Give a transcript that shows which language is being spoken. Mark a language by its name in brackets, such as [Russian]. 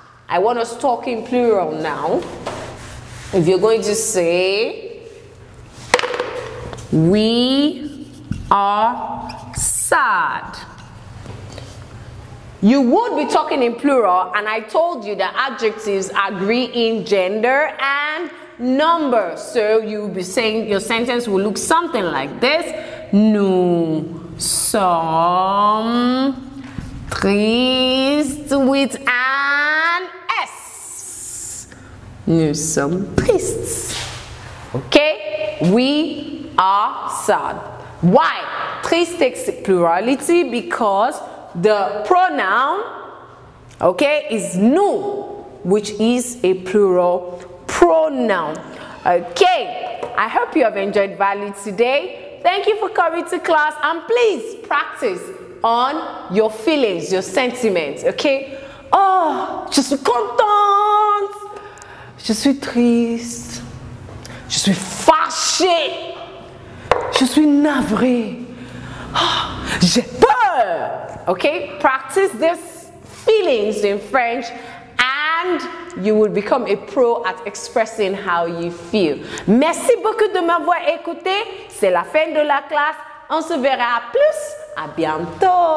[English] I want us talking plural now. If you're going to say we are sad, you would be talking in plural, and I told you that adjectives agree in gender and number. So you'll be saying, your sentence will look something like this. [French] Nous sommes tristes [English] with an S. [French] Nous sommes tristes. Okay? [English] We are sad. Why? Triste takes plurality because the pronoun, okay, is nous, which is a plural pronoun. Okay, I hope you have enjoyed Valid today. Thank you for coming to class, and please practice on your feelings, your sentiments, okay? [French] Oh, je suis contente. Je suis triste. Je suis fâchée. Je suis navrée. J'ai peur. [English] Okay, practice these feelings in French and you will become a pro at expressing how you feel. [French] Merci beaucoup de m'avoir écouté. C'est la fin de la classe. On se verra plus. À bientôt.